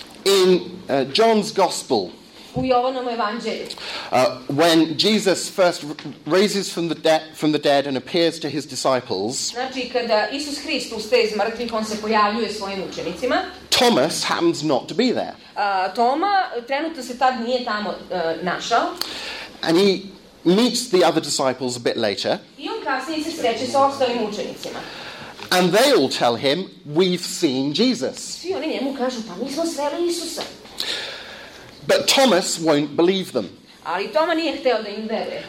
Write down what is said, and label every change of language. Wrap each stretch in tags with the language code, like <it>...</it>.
<en>In John's Gospel.</en> <sr>U Jovanom evanđelju.</sr> <en>When Jesus first raises from the dead and appears to his disciples.</en> <sr>Znači kada Isus Hrist ustaje iz mrtvih, on se pojavljuje svojim učenicima.</sr> <en>Thomas happens not to be there.</en> <sr>Toma trenutno se tad nije tamo našao.</sr> <en>And he meets the other disciples a bit later.</en> <sr>I on kasnije se sreće sa ostalim učenicima.</sr> <en>And they all tell him, "We've seen Jesus."</en> <sr>Svi oni njemu kažu, pa mi smo sreli Isusa.</sr> <en>But Thomas won't believe them.</en> <sr>Ali Toma nije hteo da im vere.</sr>